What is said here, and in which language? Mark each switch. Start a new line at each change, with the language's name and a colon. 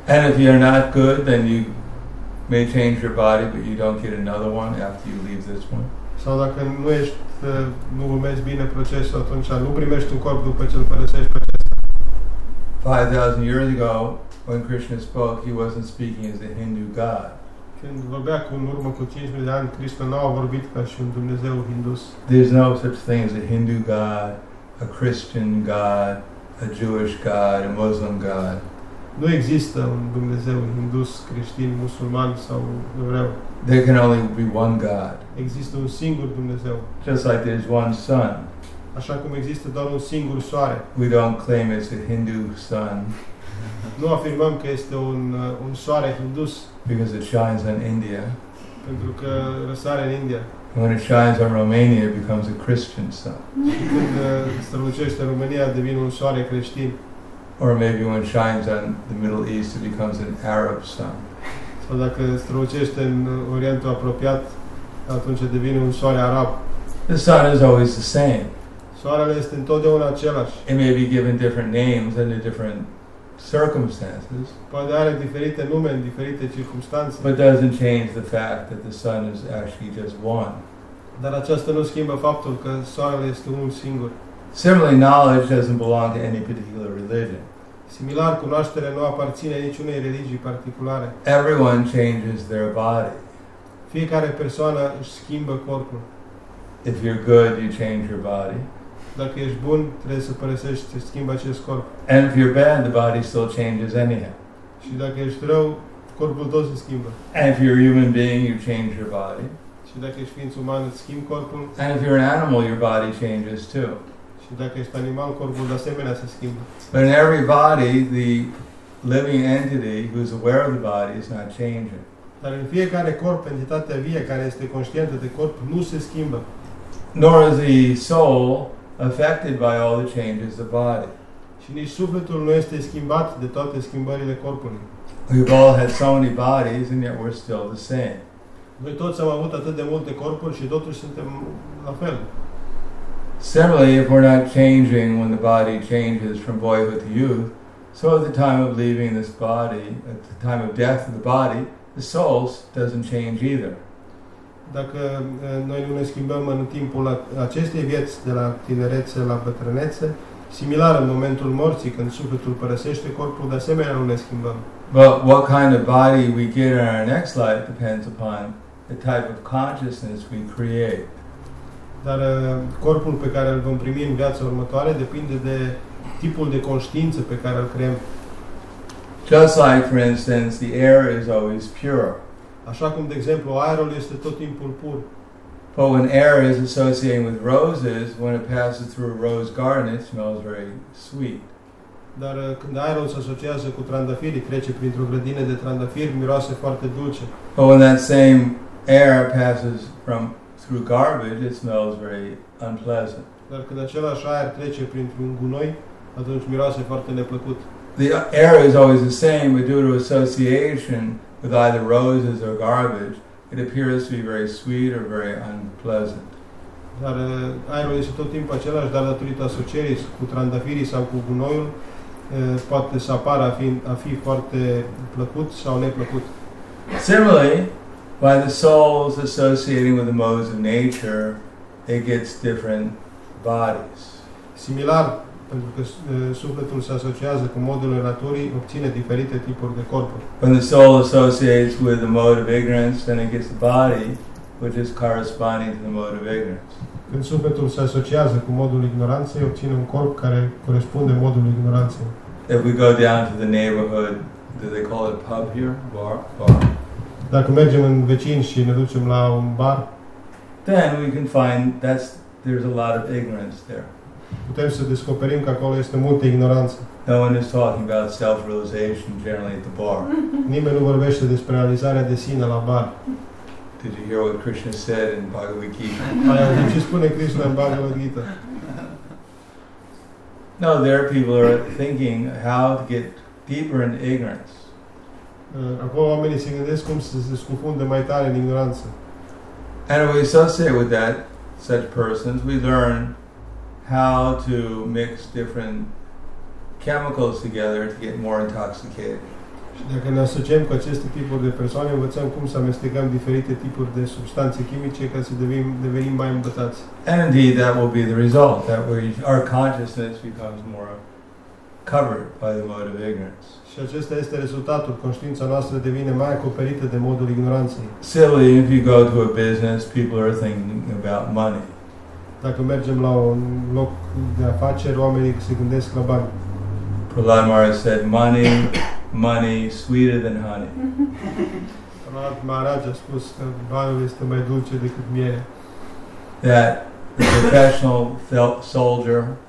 English: And if you're not good, then you may change your body, but you don't get another one after you leave this one.
Romanian: Sau dacă nu ești, nu urmezi bine procesul, atunci nu primești un corp după ce îl părăsești pe acesta.
English: 5,000 years ago, when Krishna spoke, he wasn't speaking as a Hindu god.
Romanian: Când vorbea cu în urmă cu 5,000 de ani, Krishna nu a vorbit ca și un Dumnezeu hindus.
English: There's no such thing as a Hindu god, a Christian god, a Jewish god, a Muslim god.
Romanian: Nu există un Dumnezeu hindus, creștin, musulman sau evreu.
English: There can only be one God.
Romanian: Există un singur Dumnezeu.
English: Just like there's one sun.
Romanian: Așa cum există doar un singur soare.
English: We don't claim it's a Hindu sun.
Romanian: Nu afirmăm că este un soare hindus.
English: Because it shines in India.
Romanian: Pentru că răsare în India.
English: When it shines on Romania, it becomes a Christian sun.
Romanian: Când strălucește în România, devine un soare creștin.
English: Or maybe when it shines on the Middle East, it becomes an Arab sun.
Romanian: Sau dacă strălucește în Orientul apropiat, atunci devine un soare arab.
English: The sun is always the same.
Romanian: Soarele este întotdeauna același.
English: It may be given different names under different circumstances.
Romanian: Poate are diferite nume în diferite circumstanțe.
English: But doesn't change the fact that the sun is actually just one.
Romanian: Dar aceasta nu schimbă faptul că soarele este unul singur.
English: Similarly, knowledge doesn't belong to any particular religion.
Romanian: similar, cunoașterea nu aparține niciunei religii particulare.
English: Everyone changes their body.
Romanian: Fiecare persoană își schimbă corpul.
English: If you're good, you change your body.
Romanian: Dacă ești bun, trebuie să părăsești, să schimbi acest corp.
English: And if you're bad, the body still changes anyhow.
Romanian: Și dacă ești rău, corpul tot se schimbă.
English: And if you're a human being, you change your body.
Romanian: Și dacă ești ființă umană, schimbi corpul.
English: And if you're an animal, your body changes too.
Romanian: Și dacă ești animal, corpul de asemenea se schimbă.
English: But in every body, the living entity who is aware of the body is not changing.
Romanian: Dar în fiecare corp, entitatea vie care este conștientă de corp, nu se schimbă.
English: Nor is the soul affected by all the changes of body.
Romanian: Și nici sufletul nu este schimbat de toate schimbările corpului.
English: We've all had so many bodies and yet we're still the same.
Romanian: Noi toți am avut atât de multe corpuri și totuși suntem la fel.
English: Similarly, if we're not changing when the body changes from boyhood to youth, so at the time of leaving this body, at the time of death of the body, the soul doesn't change either.
Romanian: Dacă noi nu ne schimbăm în timpul acestei vieți, de la tinerețe la bătrânețe, similar, în momentul morții, când sufletul părăsește corpul, de asemenea nu ne schimbăm.
English: But what kind of body we get in our next life depends upon the type of consciousness we create.
Romanian: Dar corpul pe care îl vom primi în viața următoare depinde de tipul de conștiință pe care îl creăm.
English: Just like, for instance, the air is always pure.
Romanian: Așa cum, de exemplu, aerul este tot timpul pur.
English: But when air is associated with roses, when it passes through a rose garden, it smells very sweet.
Romanian: Dar când aerul se asociază cu trandafiri, trece printr-o grădină de trandafiri, miroase foarte dulce.
English: But when that same air passes from through garbage, it smells very unpleasant.
Romanian: Dar când același aer trece printr-un gunoi, atunci miroase foarte neplăcut.
English: The air is always the same, but due to association with either roses or garbage, it appears to be very sweet or very unpleasant.
Romanian: Dar aerul este tot timpul același, dar datorită asocierii cu trandafirii sau cu gunoiul, poate să apară a fi foarte plăcut sau neplăcut.
English: Similarly, by the souls associating with the modes of nature, it gets different bodies.
Romanian: Similar, pentru că sufletul se asociază cu modurile naturii, obține diferite tipuri de corpuri.
English: When the soul associates with the mode of ignorance, then it gets the body which is corresponding to the mode of ignorance.
Romanian: Când sufletul se asociază cu modul ignoranței, obține un corp care corespunde modului ignoranței.
English: If we go down to the neighborhood, do they call it pub here?
Romanian: Bar? Dacă mergem în vecin și ne ducem la un bar,
English: then we can find that there's a lot of ignorance there.
Romanian: Putem să descoperim că acolo este multă ignoranță.
English: No one is talking about self-realization generally at the bar.
Romanian: Nimeni nu vorbește despre realizarea de sine la bar.
English: Did you hear what Krishna said in Bhagavad Gita?
Romanian: Ce spune Krishna în Bhagavad Gita?
English: No, there people are thinking how to get deeper in ignorance.
Romanian: Acolo oamenii se gândesc cum să se scufunde mai tare în ignoranță.
English: And we associate with that such persons, we learn how to mix different chemicals together to get more intoxicated.
Romanian: Și dacă ne asociem cu aceste tipuri de persoane, învățăm cum să amestecăm diferite tipuri de substanțe chimice ca să devenim mai îmbătați.
English: And indeed, that will be the result, that our consciousness becomes more covered by the mode of ignorance.
Romanian: Și acesta este rezultatul, conștiința noastră devine mai acoperită de modul ignoranței.
English: Silly, if you go to a business, people are thinking about money.
Romanian: Dacă mergem la un loc de afaceri, oamenii se gândesc la bani.
English: Prahlad Maharaj said, money, money, sweeter than honey.
Romanian: Prahlad Maharaj a spus că banul este mai dulce decât miere.
English: That the professional soldier,